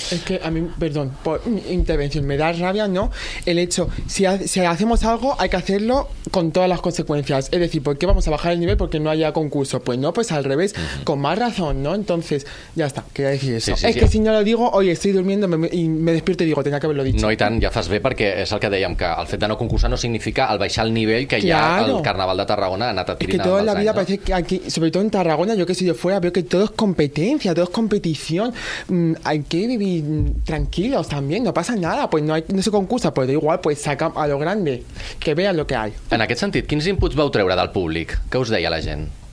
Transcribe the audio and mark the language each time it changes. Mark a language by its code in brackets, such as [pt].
[es] Es que a mí, perdón, por intervención, me da rabia, ¿no? El hecho, si hacemos algo, hay que hacerlo con todas las consecuencias. Es decir, ¿por qué vamos a bajar el nivel? Porque no haya concurso. Pues no, pues al revés, uh-huh. Con más razón, ¿no? Entonces, ya está, quería decir eso. Sí, sí, es sí, que sí. Si no lo digo, oye, estoy durmiendo y me despierto y digo, tenía que haberlo dicho. [ca] No, y tan, ya bé, perquè és el que dèiem, que el fet de no concursar no significa el baixar el nivell que [es] claro. [ca] Ja el Carnaval de Tarragona ha anat adquirint. [es] Es que toda la vida años, parece que aquí, [ca] sobretot [es] en Tarragona, jo que soy de fuera, veo que todo es competencia, todo es competición. Hay que vivir tranquilos también, no pasa nada, pues no se concursa, pues da igual, pues saca a lo grande, que vean lo que hay. [ca] En aquest sentit, quins inputs vau treure del públic? Què us deia la gent?